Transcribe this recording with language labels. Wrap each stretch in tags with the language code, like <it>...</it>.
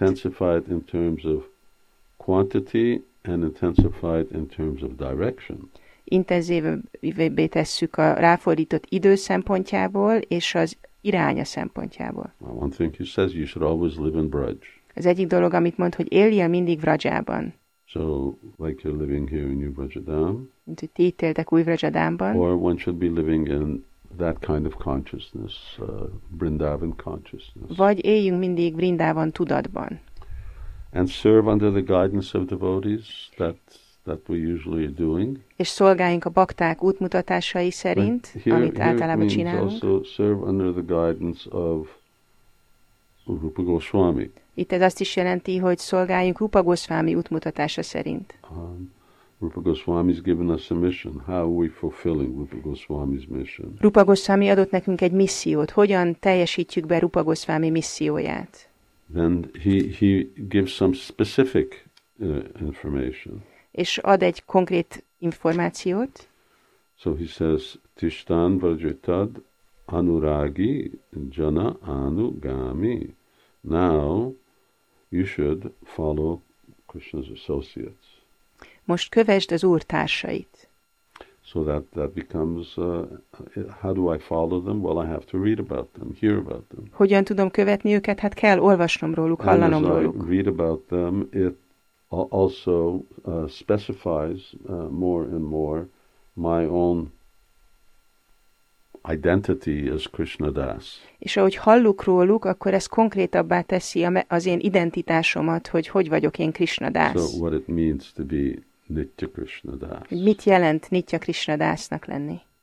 <en>Intensify it in terms of quantity and intensify it in terms of direction.</en> <hu>Intenzívebbé tesszük a ráfordított idő szempontjából és az iránya szempontjából.</hu> <en>One thing he says, you should always live in Braj.</en> <hu>Az egyik dolog, amit mond, hogy éljél mindig Vrajában.</hu> <en>So, like you're living here in New Vrajadam.</en> <hu>Mint hogy ti itt éltek új Vrajadamban.</hu> <en>Or one should be living in that kind of consciousness, Vrindavan consciousness.</en> <hu>Vagy éljünk mindig Vrindavan tudatban.</hu> <en>And serve under the guidance of devotees that we usually are doing.</en> <hu>És szolgáljunk a bakták útmutatásai szerint,</hu> <en>here,</en> <hu>amit általában csinálunk.</hu> <en>Also serve under the guidance of Rupa Goswami.</en> <hu>Itt ez azt is jelenti, hogy szolgáljunk Rupa Goswami útmutatása szerint.</hu> <en>Rupa Goswami's given us a mission. How are we fulfilling Rupa Goswami's mission?</en> <hu>Rupa Goswami adott nekünk egy missziót. Hogyan teljesítjük be Rupa Goswami misszióját?</hu> <en>Then he gives some specific information.</en> <hu>És ad egy konkrét információt.</hu> <en>So he says,</en> <sa>tishtan vajetad anuragi jana anugami.</sa> <en>Now you should follow Krishna's associates.</en> <hu>Most kövesd az Úr társait.</hu> <en>So that becomes, how do I follow them? Well, I have to read about them, hear about them.</en> <hu>Hogyan tudom követni őket? Hát kell olvasnom róluk, hallanom róluk.</hu> <en>And as I read about them, it also specifies more and more my own identity as Krishna Das.</en> <hu>És ahogy halluk róluk, akkor ez konkrétabbá teszi az én identitásomat, hogy vagyok én Krishna Das.</hu> <en>So what it means to be Nitya Krishna Das.</en> <hu>Mit jelent Nitya Krishna Dasnak lenni?</hu>